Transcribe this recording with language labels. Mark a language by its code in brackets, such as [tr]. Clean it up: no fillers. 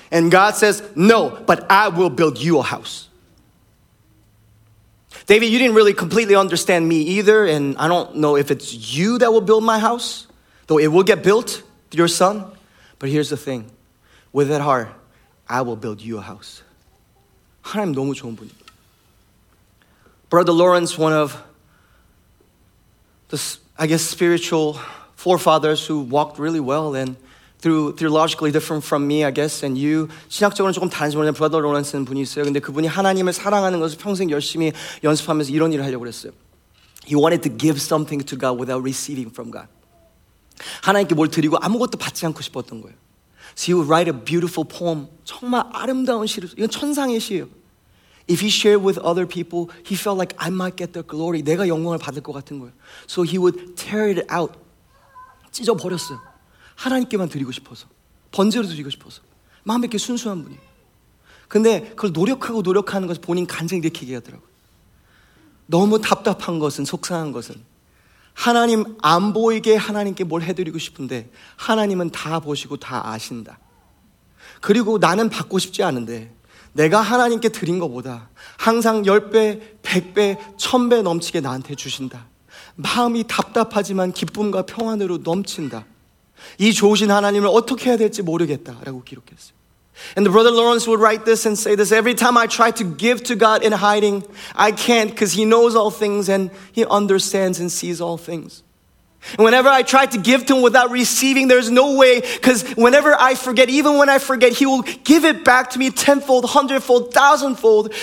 [en] And God says, no, but I will build you a house David, you didn't really completely understand me either And I don't know if it's you that will build my house Though it will get built, your son But here's the thing With that heart, I will build you a house [ko] 하나님 너무 좋은 분. [en] Brother Lawrence, one of the, I guess, spiritual forefathers who walked really well and through theologically different from me, I guess, and you. [ko] 신학적으로는 조금 다른지 모르는 Brother Lawrence는 분이 있어요. 근데 그분이 하나님을 사랑하는 것을 평생 열심히 연습하면서 이런 일을 하려고 했어요. [en] He wanted to give something to God without receiving from God. [ko] 하나님께 뭘 드리고 아무것도 받지 않고 싶었던 거예요. [en] So he would write a beautiful poem. [ko] 정말 아름다운 시를. 이건 천상의 시예요. [en] If he shared with other people, he felt like I might get the glory. [ko] 내가 영광을 받을 것 같은 거예요. [en] So he would tear it out. [ko] 찢어버렸어요. 하나님께만 드리고 싶어서. 번제로 드리고 싶어서. 마음이 이렇게 순수한 분이에요. 근데 그걸 노력하고 노력하는 것을 본인 간증이 느끼게 하더라고요. 너무 답답한 것은, 속상한 것은. 하나님 안 보이게 하나님께 뭘 해드리고 싶은데 하나님은 다 보시고 다 아신다 그리고 나는 받고 싶지 않은데 내가 하나님께 드린 것보다 항상 10배, 100배, 1000배 넘치게 나한테 주신다. 마음이 답답하지만 기쁨과 평안으로 넘친다. 이 좋으신 하나님을 어떻게 해야 될지 모르겠다 라고 기록했어요. [en] And the brother Lawrence would write this and say this, every time I try to give to God in hiding, I can't because he knows all things and he understands and sees all things. And whenever I try to give to him without receiving, there's no way because whenever I forget, even when I forget, he will give it back to me tenfold, hundredfold, thousandfold.